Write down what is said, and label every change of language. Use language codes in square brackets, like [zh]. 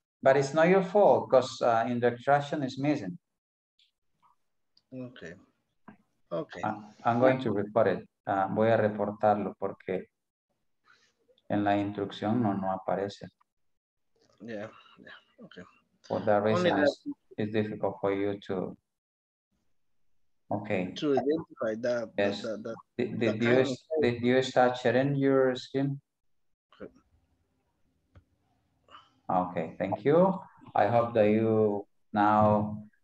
[en] But it's not your fault, because instruction is missing. Okay. I'm going to report it. [es] Voy a reportarlo porque en la instrucción no aparece. [en] Okay. For that reason, it's difficult for you to. Okay. To identify that. Yes. Did you start sharing your screen? Okay. Thank you. I hope that you now